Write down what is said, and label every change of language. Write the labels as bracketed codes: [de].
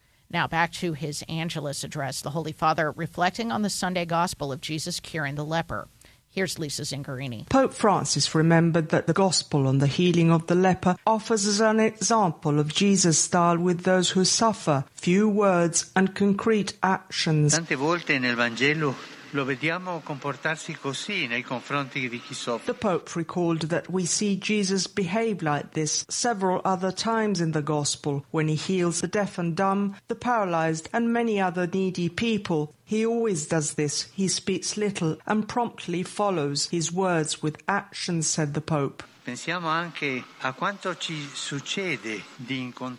[en] Now back to his Angelus address, the Holy Father reflecting on the Sunday gospel of Jesus curing the leper. Here's Lisa Zingarini. Pope Francis remembered that the gospel on the healing of the leper offers us an example of Jesus' style with those who suffer, few words and concrete actions. [it] Tante volte nel Vangelo lo vediamo comportarsi così nei confronti di chi soffre. [en] The Pope recalled that we see Jesus behave like this several other times in the Gospel, when he heals the deaf and dumb, the paralyzed, and many other needy people. He always does this. He speaks little and promptly follows his words with action, said the Pope. [it] Pensiamo anche a quanto ci succede di incontrare.